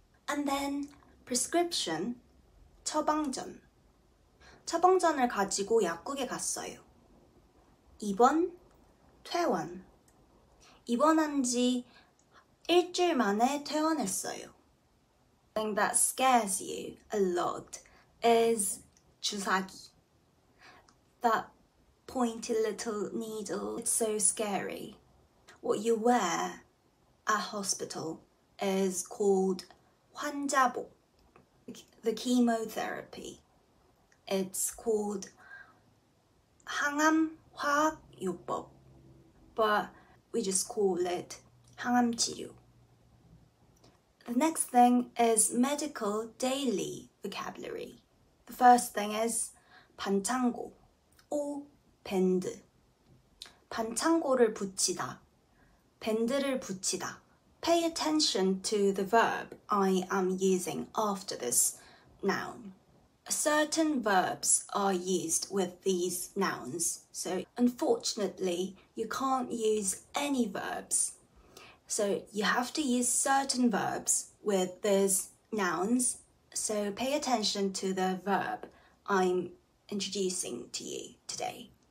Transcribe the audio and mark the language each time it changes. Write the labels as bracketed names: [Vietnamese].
[English] And then prescription, 처방전. [Korean] 처방전을 가지고 약국에 갔어요. 입원, 퇴원. 입원한 지 일주일 만에 퇴원했어요. [English] Thing that scares you a lot is 주사기. That pointy little needle, it's so scary. What you wear at hospital is called 환자복. The chemotherapy, it's called 항암 화학요법, but we just call it 항암치료. The next thing is medical daily vocabulary. The first thing is 반창고 or 밴드. [Korean] 반창고를 붙이다, 밴드를 붙이다. [English] Pay attention to the verb I am using after this noun. Certain verbs are used with these nouns, so unfortunately, you can't use any verbs. So you have to use certain verbs with these nouns, so pay attention to the verb I'm introducing to you today.